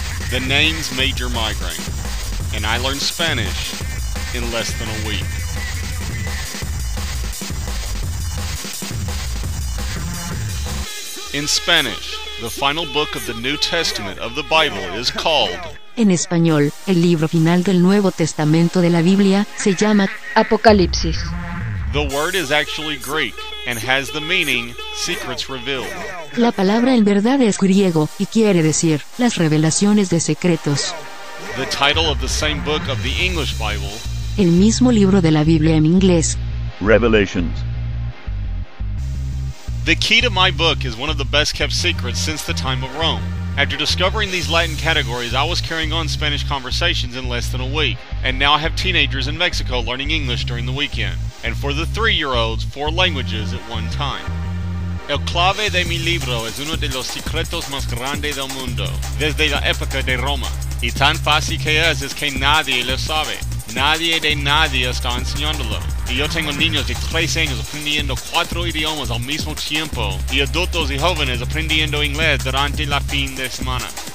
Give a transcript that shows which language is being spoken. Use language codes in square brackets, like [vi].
[en] The name's Major Migraine, and I learned Spanish in less than a week. In Spanish, the final book of the New Testament of the Bible is called... [es] En español, el libro final del Nuevo Testamento de la Biblia se llama... Apocalipsis. [en] The word is actually Greek, and has the meaning, secrets revealed. [es] La palabra en verdad es griego, y quiere decir, las revelaciones de secretos. [en] The title of the same book of the English Bible... [es] El mismo libro de la Biblia en inglés... [en] Revelations. The key to my book is one of the best-kept secrets since the time of Rome. After discovering these Latin categories, I was carrying on Spanish conversations in less than a week, and now I have teenagers in Mexico learning English during the weekend, and for the three-year-olds, four languages at one time. [es] El clave de mi libro es uno de los secretos más grandes del mundo, desde la época de Roma, y tan fácil que es que nadie lo sabe. Nadie de nadie está enseñándolo. Y yo tengo niños de 13 años aprendiendo cuatro idiomas al mismo tiempo, y adultos y jóvenes aprendiendo inglés durante la fin de semana.